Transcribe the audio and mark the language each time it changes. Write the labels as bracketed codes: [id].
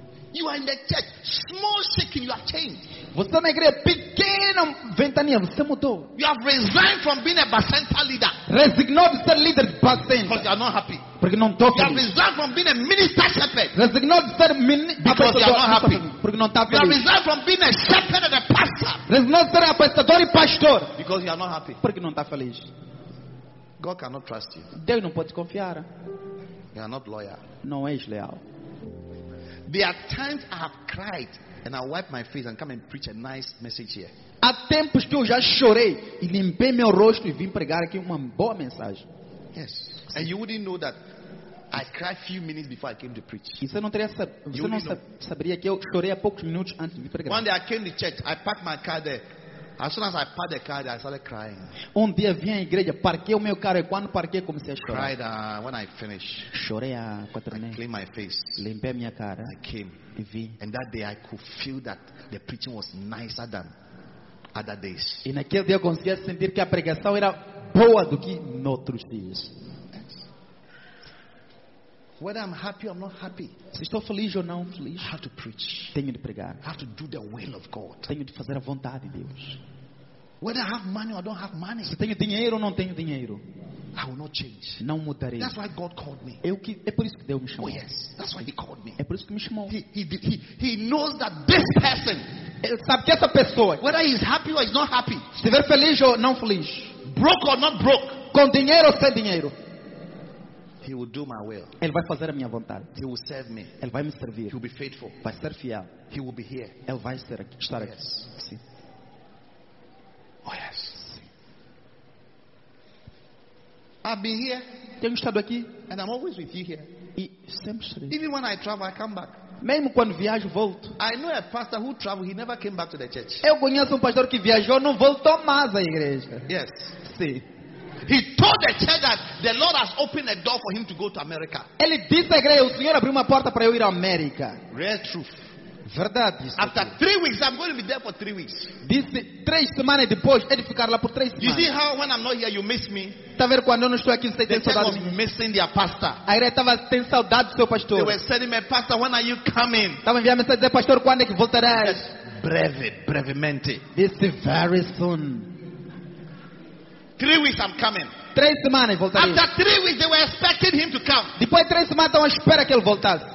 [en] You are in the church, small shaking, you are changed. [pt] Você está na igreja pequena, ventania, você mudou. [en] You have resigned from being a bacenta leader. [pt] Resignou de ser líder de bacenta. [en] Because you are not happy. [pt] Porque não está feliz. [en] You have resigned from being a minister shepherd. [pt] Resignou de ser [en] because you are not happy. [pt] Porque não está feliz. [en] You have resigned from being a shepherd and a pastor. [pt] Resignou de ser apostador e pastor. [en] Because you are not happy. [pt] Porque não está feliz. [en] God cannot trust you. [pt] Deus não pode te confiar. [en] You are not loyal. [pt] Não és leal. [en] There are times I have cried and I wipe my face and come and preach a nice message here. [pt] Há tempos que eu já chorei e limpei meu rosto e vim pregar aqui uma boa mensagem. [en] Yes. And you wouldn't know that I cried a few minutes before I came to preach. [pt] Você não teria saberia que eu chorei há poucos minutos antes de vir pregar. [en] One day I came to church, I parked my car there. As soon as I parked the car, I started crying. [pt] Um dia vim à igreja, parquei o meu carro e quando parquei comecei a chorar. [en] Cried when I finished. [pt] Chorei a quatro minutos. [en] I cleaned my face. [pt] Limpei minha cara. [en] I came. [pt] E vim. [en] And that day I could feel that the preaching was nicer than other days. [pt] E naquele dia eu conseguia sentir que a pregação era boa do que noutros dias. [en] Whether I'm happy or not happy, [pt] se estou feliz ou não feliz, [en] I have to preach. [pt] Tenho de pregar. [en] I have to do the will of God. [pt] Tenho de fazer a vontade de Deus. [en] Whether I have money or don't have money, [pt] se tenho dinheiro ou não tenho dinheiro, [en] I will not change. [pt] Não mudarei. [en] That's why God called me. [pt] É por isso que Deus me chamou. [en] Oh yes, that's why He called me. [pt] É por isso que me chamou. [en] He knows that this person, [pt] ele sabe que essa pessoa, [en] whether he's happy or he's not happy, [pt] se estiver feliz ou não feliz, [en] broke or not broke, [pt] com dinheiro ou sem dinheiro, [en] He will do my will. [pt] Ele vai fazer a minha vontade. [en] He will serve me. [pt] Ele vai me servir. [en] He will be faithful. [pt] Vai ser fiel. [en] He will be here. [pt] Ele vai estar aqui. Estar [en] yes. [pt] Aqui. Sim. [en] Oh yes. I've been here. [pt] Tenho estado aqui. [en] And I'm always with you here. [pt] E sempre estarei. [en] Even when I travel, I come back. [pt] Mesmo quando viajo, volto. [en] I know a pastor who traveled, he never came back to the church. [pt] Eu conheço pastor que viajou, não voltou mais à igreja. [en] Yes. [pt] Sim. [en] He told the church that the Lord has opened a door for him to go to America. [pt] Ele disse à igreja, o Senhor abriu uma porta para eu ir à América. [en] Real truth. [pt] Verdade. [en] After 3 weeks, I'm going to be there for 3 weeks. [pt] Disse 3 semanas depois, ele ficar lá por 3 semanas. [en] You see how when I'm not here, you miss me. [pt] Tá vendo quando eu não estou aqui, você tem saudade de mim. [en] They were missing their pastor. [pt] A igreja estava tem saudade do seu pastor. [en] They were sending me, pastor, when are you coming? [pt] Estava enviando mensagem de pastor, quando é que voltarás? Brevemente. Disse [en] very soon. 3 weeks I'm coming. [pt] 3 semanas voltarei. [en] After 3 weeks they were expecting him to come. [pt] Depois de 3 semanas estavam esperando que ele voltasse.